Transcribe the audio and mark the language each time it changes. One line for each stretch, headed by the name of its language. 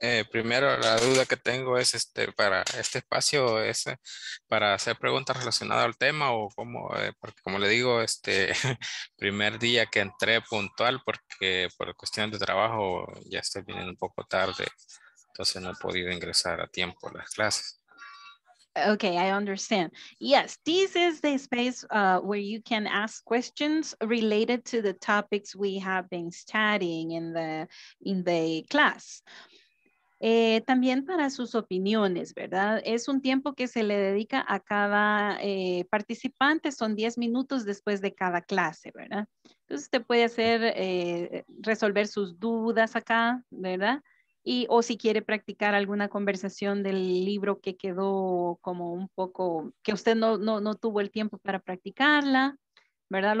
Spanish: Primero, la duda que tengo es para este espacio, ¿es para hacer preguntas relacionadas al tema o cómo? Porque como le digo, primer día que entré puntual porque por cuestiones de trabajo ya estoy viniendo un poco tarde, entonces no he podido ingresar a tiempo a las clases.
English: Okay, I understand. Yes, this is the space where you can ask questions related to the topics we have been studying in the class.
Spanish: También para sus opiniones, ¿verdad? Es un tiempo que se le dedica a cada participante, son 10 minutos después de cada clase, ¿verdad? Entonces usted puede hacer, resolver sus dudas acá, ¿verdad? Y, o si quiere practicar alguna conversación del libro que quedó como un poco, que usted no tuvo el tiempo para practicarla, ¿verdad?